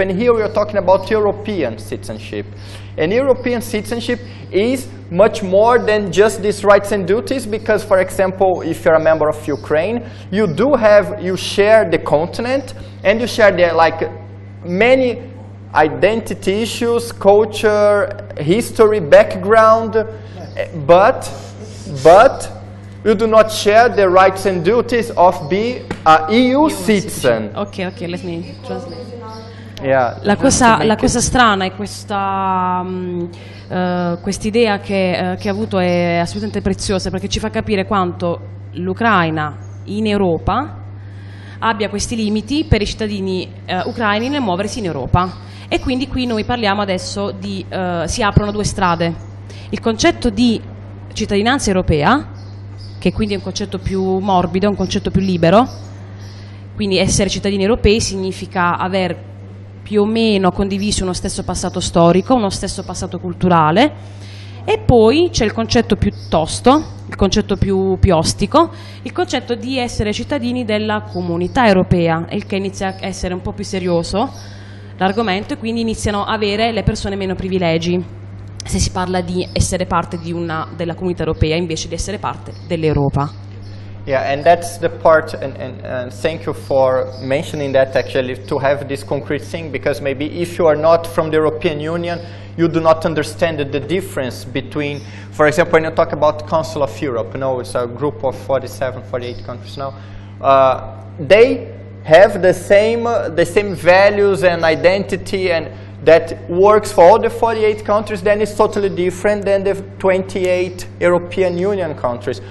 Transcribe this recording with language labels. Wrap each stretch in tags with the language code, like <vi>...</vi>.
<en>And here we are talking about European citizenship. And European citizenship is much more than just these rights and duties, because, for example, if you're a member of Ukraine, you do have, you share the continent, and you share the, like, many identity issues, culture, history, background, but you do not share the rights and duties of being a EU citizen. Okay, let me translate. Yeah.</en> <it>La cosa strana è questa quest'idea che ha avuto è assolutamente preziosa, perché ci fa capire quanto l'Ucraina in Europa abbia questi limiti per i cittadini ucraini nel muoversi in Europa. E quindi qui noi parliamo adesso di si aprono due strade. Il concetto di cittadinanza europea, che quindi è un concetto più morbido, un concetto più libero, quindi essere cittadini europei significa aver più o meno condiviso uno stesso passato storico, uno stesso passato culturale. E poi c'è il concetto più tosto, il concetto più ostico, il concetto di essere cittadini della comunità europea, il che inizia a essere un po' più serioso l'argomento, e quindi iniziano a avere le persone meno privilegi se si parla di essere parte di una della comunità europea invece di essere parte dell'Europa.</it> <en>Yeah, and that's the part, and thank you for mentioning that actually, to have this concrete thing, because maybe if you are not from the European Union, you do not understand the difference between, for example, when you talk about the Council of Europe, you know, it's a group of 47, 48 countries now, they have the same values and identity, and that works for all the 48 countries, then it's totally different than the 28 European Union countries.</en>